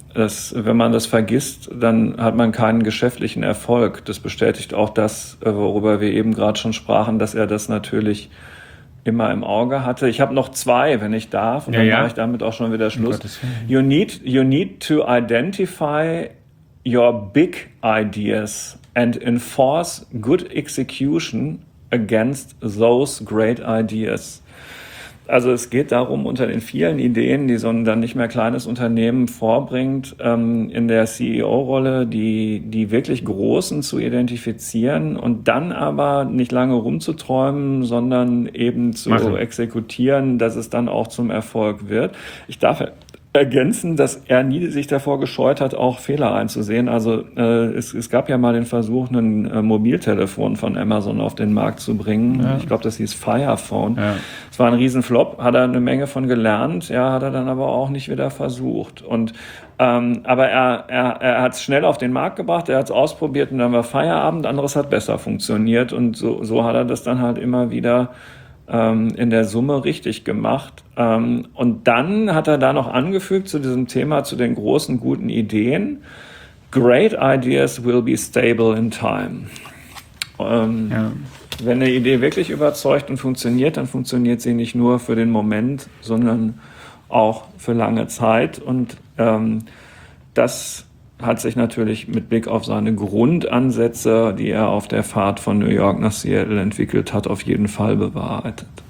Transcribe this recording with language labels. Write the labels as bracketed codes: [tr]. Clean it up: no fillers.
[de] Das, wenn man das vergisst, dann hat man keinen geschäftlichen Erfolg. Das bestätigt auch das, worüber wir eben gerade schon sprachen, dass er das natürlich immer im Auge hatte. Ich habe noch zwei, wenn ich darf, und dann mache ich damit auch schon wieder Schluss. [en] You need to identify your big ideas and enforce good execution against those great ideas. [de] Also es geht darum, unter den vielen Ideen, die so ein dann nicht mehr kleines Unternehmen vorbringt, in der CEO-Rolle die wirklich Großen zu identifizieren und dann aber nicht lange rumzuträumen, sondern eben zu exekutieren, dass es dann auch zum Erfolg wird. Ich darf ergänzen, dass er nie sich davor gescheut hat, auch Fehler einzusehen. Also es gab ja mal den Versuch, ein Mobiltelefon von Amazon auf den Markt zu bringen. Ja. Ich glaube, das hieß Fire Phone. Es war ein Riesenflop, hat er eine Menge von gelernt, ja, hat er dann aber auch nicht wieder versucht. Und aber er hat es schnell auf den Markt gebracht, er hat es ausprobiert und dann war Feierabend. Anderes hat besser funktioniert und so hat er das dann halt immer wieder in der Summe richtig gemacht. Und dann hat er da noch angefügt zu diesem Thema, zu den großen guten Ideen. [en] Great ideas will be stable in time. [de] Wenn eine Idee wirklich überzeugt und funktioniert, dann funktioniert sie nicht nur für den Moment, sondern auch für lange Zeit. Und das hat sich natürlich mit Blick auf seine Grundansätze, die er auf der Fahrt von New York nach Seattle entwickelt hat, auf jeden Fall bewahrheitet.